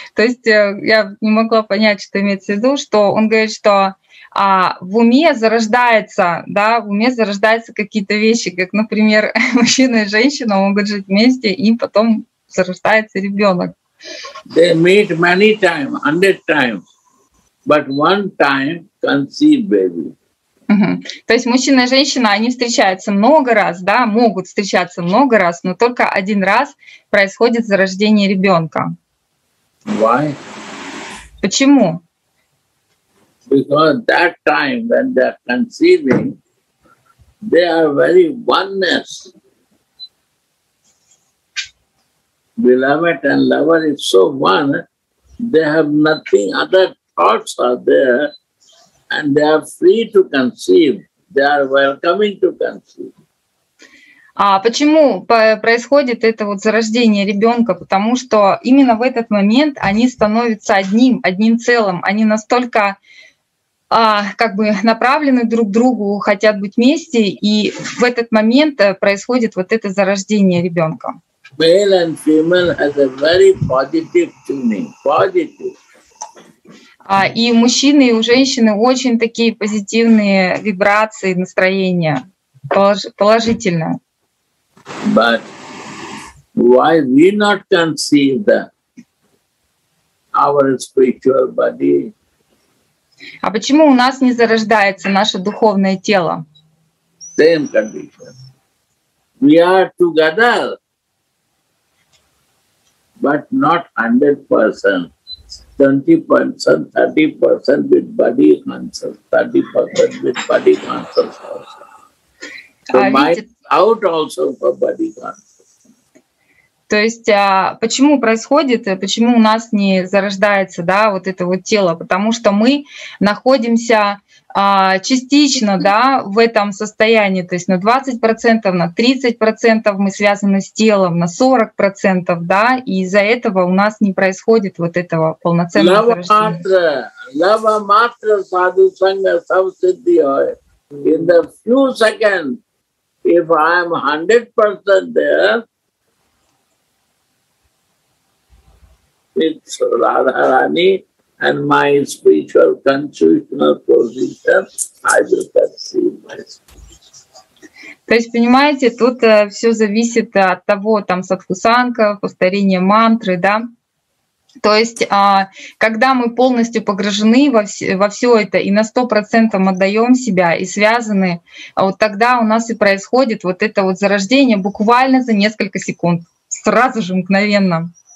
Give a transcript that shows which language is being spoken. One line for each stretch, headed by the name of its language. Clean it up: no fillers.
Russian: То есть я не могла понять, что имеется в виду, что он говорит, что в уме зарождается, да, в уме зарождаются какие-то вещи, как, например, мужчина и женщина могут жить вместе, и потом зарождается ребенок.
English: They meet many times, 100 times, but one time conceive baby.
Russian: То есть мужчина и женщина, они встречаются много раз, да, могут встречаться много раз, но только один раз происходит зарождение ребенка.
English: Why?
Russian: Почему?
English: Because that time when they are conceiving, they are very oneness. Beloved and lover is so one, they have nothing, other thoughts are there, and they are free to conceive. They are welcoming to conceive.
Russian: А почему происходит это вот зарождение ребенка? Потому что именно в этот момент они становятся одним, одним целым. Они настолько как бы направлены друг к другу, хотят быть вместе, и в этот момент происходит вот это зарождение ребенка.
English: Male and female has a very positive tuning. Positive.
Russian: А и у мужчины и у женщины очень такие позитивные вибрации, настроения положительное.
English: But why we not conceive that our spiritual body?
Russian: А почему у нас не зарождается наше духовное тело?
English: Same condition. We are together, but not 100%. 20%, 30% with body conscious, 30% with body conscious also. So out also for body conscious.
Russian: То есть почему происходит, почему у нас не зарождается, да, вот это вот тело? Потому что мы находимся частично, да, в этом состоянии, то есть на 20%, на 30% мы связаны с телом, на 40%, да, и из-за этого у нас не происходит вот этого полноценного зарождения.
Sanskrit: Лава матра, саду санга, сав сиддхи ой.
English: In the few seconds, if I am 100% there, it's Radharani and my spiritual constitutional position, I will conceive myself.
Russian: То есть, понимаете, тут все зависит от того, там садхусанка, повторение мантры, да. То есть, когда мы полностью погружены во все это и на 100% отдаем себя и связаны, вот тогда у нас и происходит вот это вот зарождение буквально за несколько секунд, сразу же мгновенно.